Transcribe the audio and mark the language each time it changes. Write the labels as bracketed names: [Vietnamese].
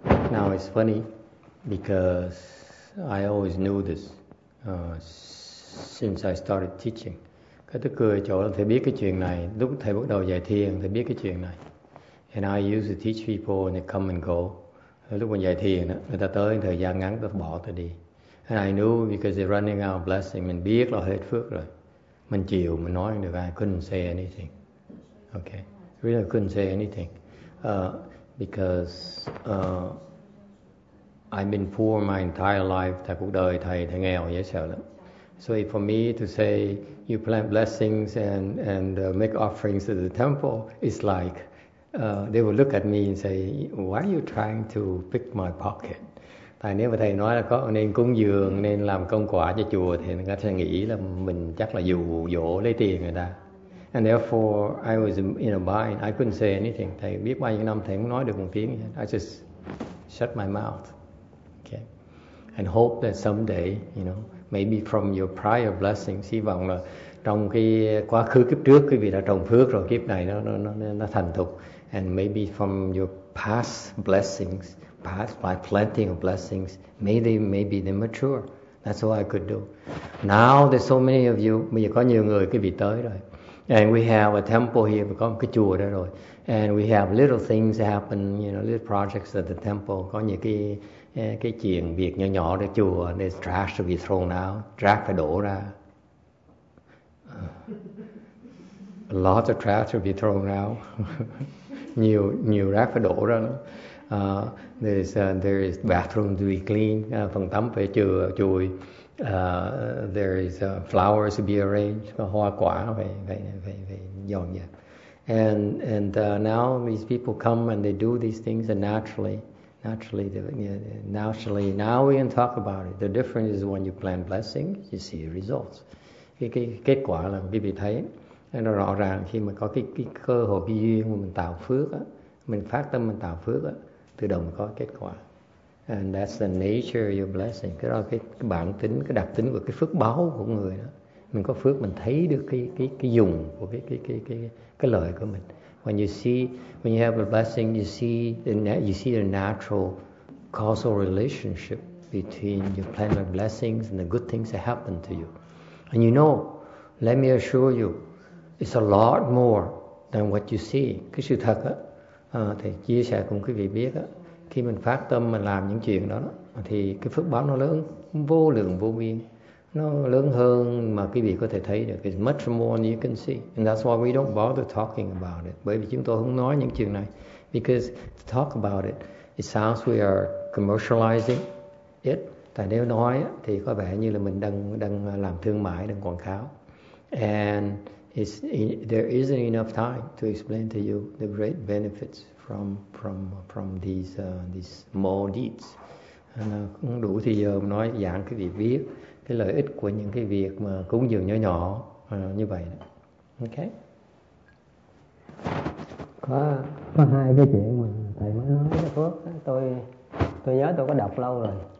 [English] Now it's funny because I always knew this since I started teaching. [Vietnamese] Cái tôi cười chỗ là thầy biết cái chuyện này. Lúc thầy bắt đầu dạy thiền, thầy biết cái chuyện này. [English] And I used to teach people and they come and go. [Vietnamese] Lúc mình dạy thiền, người ta tới thời gian ngắn, ta bỏ ta đi. [English] And I knew because they're running out of blessing. [Vietnamese] Mình biết là hết phước rồi. Mình chịu, mình nói được ai. [English] Couldn't say anything. Okay. Really couldn't say anything. Because I've been poor my entire life. [Vietnamese] Thầy cuộc đời thầy nghèo dễ sợ lắm. [English] So for me to say you plant blessings and make offerings to the temple is like, they will look at me and say, why are you trying to pick my pocket? [Vietnamese] Tại nếu mà thầy nói là có nên cúng dường, nên làm công quả cho chùa, thì người ta sẽ nghĩ là mình chắc là dụ dỗ lấy tiền người ta. [English] And therefore, I was in a bind. I couldn't say anything. [Vietnamese] Thầy biết bao nhiêu năm thầy không nói được một tiếng. [English] I just shut my mouth. Okay. And hope that someday, you know, maybe from your prior blessings, [Vietnamese] hy vọng là trong cái quá khứ kiếp trước quý vị đã trồng phước rồi, kiếp này nó thành thục. [English] And maybe from your past blessings, past by planting of blessings, maybe they mature. That's all I could do. Now there's so many of you, [Vietnamese] bây giờ có nhiều người quý vị tới rồi. [English] And we have a temple here, [Vietnamese] có một cái chùa đó rồi. [English] And we have little things happen, you know, little projects at the temple. [Vietnamese] Có những cái chuyện việc nhỏ nhỏ ở chùa, [English] there's trash to be thrown out, [Vietnamese] rác phải đổ ra. [English] Lots of trash to be thrown out. [Vietnamese] nhiều rác phải đổ ra. [English] There is bathroom to be clean, [Vietnamese] phòng tắm phải chùi. [English] There is flowers to be arranged, [Vietnamese] hoa quả phải dọn dẹp. [English] And now these people come and they do these things and naturally. Now we can talk about it. The difference is when you plant blessing, you see results. [Vietnamese] Cái kết quả là quý vị thấy nó rõ ràng khi mà có cái cơ hội, cái duyên mà mình tạo phước á, mình phát tâm mình tạo phước á, tự động có kết quả. [English] And that's the nature of your blessing. [Vietnamese] Cái đó là cái bản tính, cái đặc tính của cái phước báo của người đó. Mình có phước mình thấy được cái dùng của cái lợi của mình. [English] When you have a blessing, you see the natural causal relationship between you plan the blessings and the good things that happen to you. And you know, let me assure you, it's a lot more than what you see. [Vietnamese] Cái sự thật á, thì chia sẻ cùng quý vị biết á, khi mình phát tâm mình làm những chuyện đó, đó thì cái phước báo nó lớn vô lượng vô biên, nó lớn hơn mà quý vị có thể thấy được. [English] It's much more than you can see, and that's why we don't bother talking about it. [Vietnamese] Bởi vì chúng tôi không nói những chuyện này, [English] because to talk about it, it sounds we are commercializing it. [Vietnamese] Tại nếu nói thì có vẻ như là mình đang làm thương mại, đang quảng cáo. [English] And it's, there isn't enough time to explain to you the great benefits from these small deeds. [Vietnamese] Không đủ thời giờ mà nói giảng cái việc biết cái lợi ích của những cái việc mà cúng dường nhỏ nhỏ như vậy đó. [English] Ok. [Vietnamese] Có hai cái chuyện mà thầy mới nói cho Phước. Tôi nhớ tôi có đọc lâu rồi.